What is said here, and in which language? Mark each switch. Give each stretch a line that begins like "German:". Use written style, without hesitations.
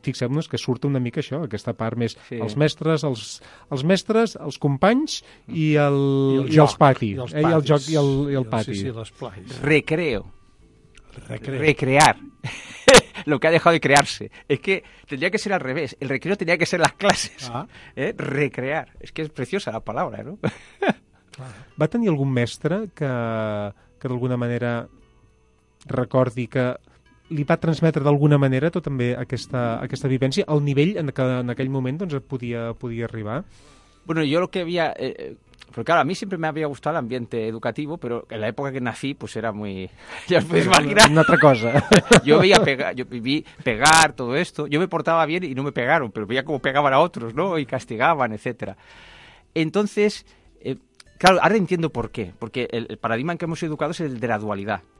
Catalan: Fixem-nos que surt una mica això, aquesta part més, sí. els mestres, els companys i el joc i el pati. Sí, l'esplai.
Spanish: Recreo. Recrear. Lo que ha dejado de crearse. Es que tendría que ser al revés. El recreo tendría que ser las clases. Ah. Recrear. Es que es preciosa la palabra, ¿no?
Catalan: ¿Va tenir algun mestre que d'alguna manera recordi que li va transmetre d'alguna manera tot també aquesta vivència al nivell en que en aquell moment doncs, podia arribar?
Spanish: Bueno, yo lo que había Porque claro, a mí siempre me había gustado el ambiente educativo, pero en la época que nací, pues era muy... Ya os podéis imaginar. Una otra cosa. Yo veía pegar todo esto. Yo me portaba bien y no me pegaron, pero veía cómo pegaban a otros, ¿no? Y castigaban, etcétera. Entonces, claro, ahora entiendo por qué. Porque el paradigma en que hemos educado es el de la dualidad.